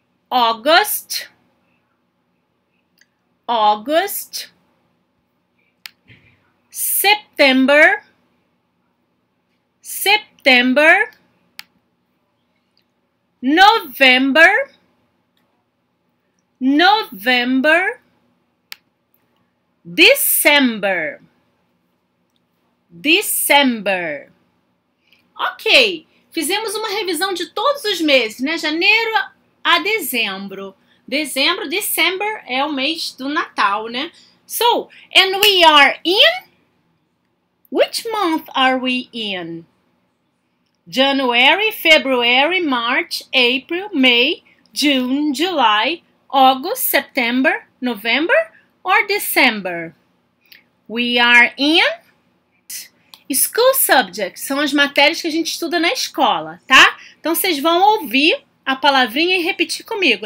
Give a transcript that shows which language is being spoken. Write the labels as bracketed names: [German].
[English] August, August, September, September, November, November, December, December. [Portuguese] Ok, fizemos uma revisão de todos os meses, né? Janeiro a dezembro. Dezembro, December é o mês do Natal, né? [English] So, and we are in? Which month are we in? January, February, March, April, May, June, July, August, September, November or December? We are in school subjects. [Portuguese] São as matérias que a gente estuda na escola, tá? Então vocês vão ouvir a palavrinha e repetir comigo.